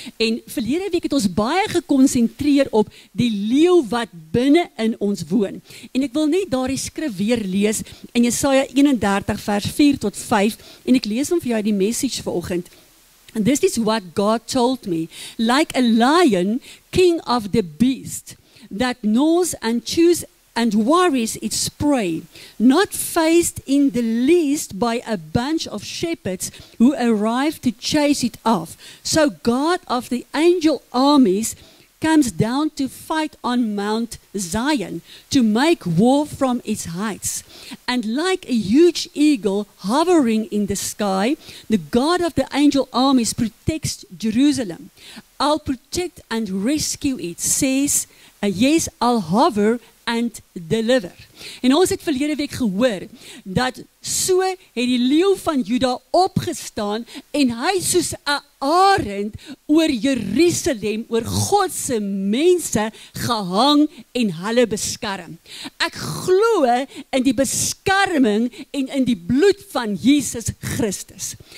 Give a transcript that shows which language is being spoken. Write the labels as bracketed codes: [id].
[af] En verlede week het ons baie gekonsentreer op die leeu wat binne in ons woon. En ek wil net daardie skrif weer lees in Jesaja 31 vers 4 tot 5. En ek lees hom vir jou die message vanoggend. [en] And this is what God told me. Like a lion, king of the beast, that gnaws and chews and worries its prey, not faced in the least by a bunch of shepherds who arrive to chase it off. So God of the angel armies comes down to fight on Mount Zion, to make war from its heights. And like a huge eagle hovering in the sky, the God of the angel armies protects Jerusalem. I'll protect and rescue it, says, yes, I'll hover and deliver. [af] En ons het verlede week gehoor dat so het die leeu van Juda opgestaan en hy soos 'n arend oor Jerusalem, oor God se mense gehang en hulle beskerm. Ek glo in die beskerming en in die bloed van Jesus Christus.